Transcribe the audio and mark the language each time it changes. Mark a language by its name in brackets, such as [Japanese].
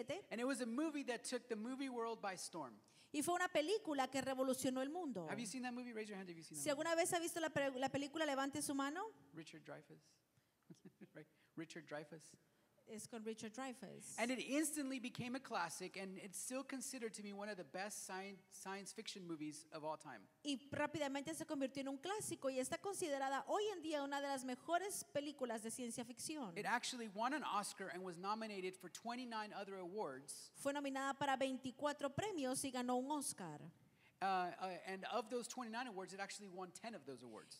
[English] And it was a movie that took the movie world by storm. [Spanish] Y fue una película que revolucionó el mundo. [English] Have you seen that movie? Raise your hand if you've seen that. [Spanish] Si alguna vez ha visto la película, levante su mano. [English] Richard Dreyfuss. Right. Richard Dreyfuss. It's called Richard Dreyfuss. And it instantly became a classic, and it's still considered to be one of the best science fiction movies of all time. [Spanish] Y rápidamente se convirtió en un clásico y está considerada hoy en día una de las mejores películas de ciencia ficción. [English] It actually won an Oscar and was nominated for 29 other awards. [Spanish] Fue nominada para 24 premios y ganó un Oscar. [English] And of those 29 awards, it actually won 10 of those awards.